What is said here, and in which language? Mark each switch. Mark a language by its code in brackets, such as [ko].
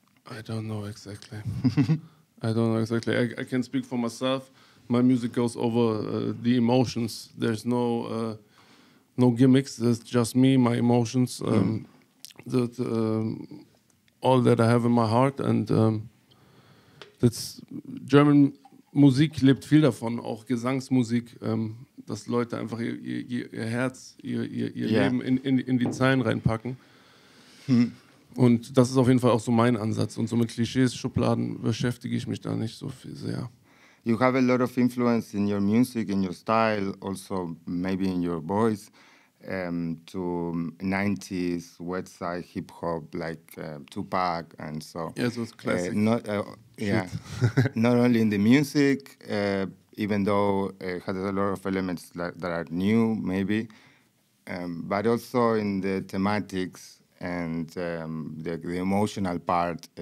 [en] I don't know exactly. I can speak for myself. My music goes over the emotions. There's no no gimmicks. It's just me, my emotions. That all that I have in my heart, and that's German [de] Musik lebt viel davon, auch Gesangsmusik, dass Leute einfach ihr Herz, ihr yeah. Leben in die Zeilen reinpacken. Hm. Und das ist auf jeden Fall auch so mein Ansatz. Und so mit Klischees, Schubladen beschäftige ich mich da nicht so viel sehr. [en] You have a lot of influence in your music, in your style, also maybe in your voice, to 90s West Side hip hop like Tupac and so. Yes, it's classic. Not only in the music, even though it has a lot of elements that are new, maybe, but also in the thematics and the emotional part.